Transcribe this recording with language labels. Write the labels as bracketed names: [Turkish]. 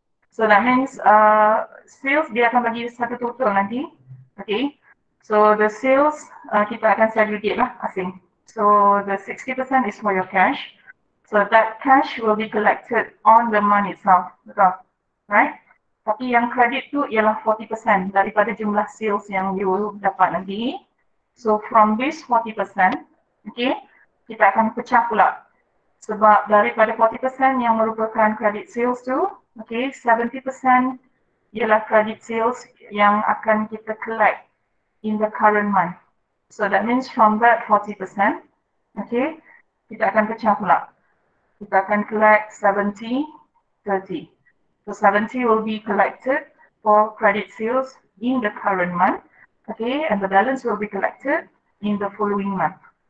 [English] So that means [Malay] sales dia akan bagi satu total nanti, okay. [English] So the sales [Malay] kita akan segregate lah asing. [English] So the 60% is for your cash. So that cash will be collected on the month itself, betul, right? [Malay] Tapi yang credit tu ialah 40% daripada jumlah sales yang you will dapat nanti. So from this 40%, okay, kita akan pecah pula. Sebab daripada 40% yang merupakan credit sales tu, okay, 70% ialah credit sales yang akan kita collect in the current month. [English] So that means from that 40%, okay, [Malay] kita akan pecah pula. Kita akan collect 70-30. [English] So 70 will be collected for credit sales in the current month. Okay, and the balance will be collected in the following month.